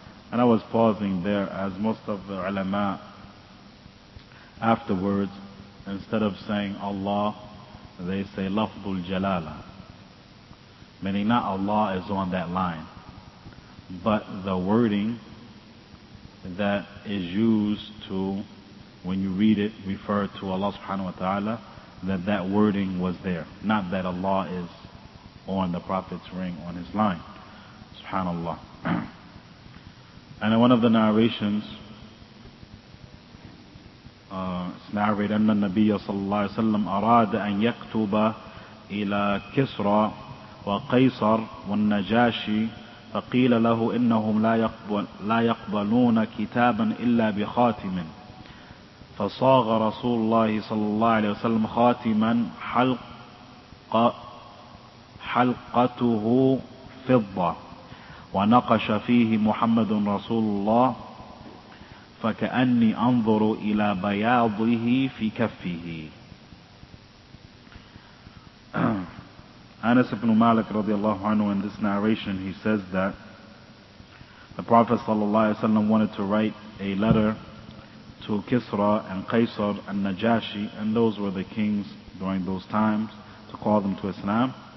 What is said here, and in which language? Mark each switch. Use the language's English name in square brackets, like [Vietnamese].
[English] And I was pausing there, as most of the ulama afterwards, instead of saying Allah, they say Lafdul Jalala, meaning not Allah is on that line, but the wording that is used to, when you read it, refer to Allah subhanahu wa ta'ala, that wording was there. Not that Allah is on the Prophet's ring, on his line. Subhanallah. And in one of the narrations, it's narrated, [Arabic] أن النبي صلى الله عليه وسلم أراد أن يكتب إلى كسرى وقيصر والنجاشي فقيل له إنهم لا يقبلون كتابا إلا بخاتم فصاغ رسول الله صلى الله عليه وسلم خاتما حلقته فضة ونقش فيه محمد رسول الله فكأني أنظر إلى بياضه في كفه. [English] Anas ibn Malik radiallahu anhu, in this narration, he says that the Prophet sallallahu alayhi wa sallam wanted to write a letter to Kisra and Qaisar and Najashi, and those were the kings during those times, to call them to Islam.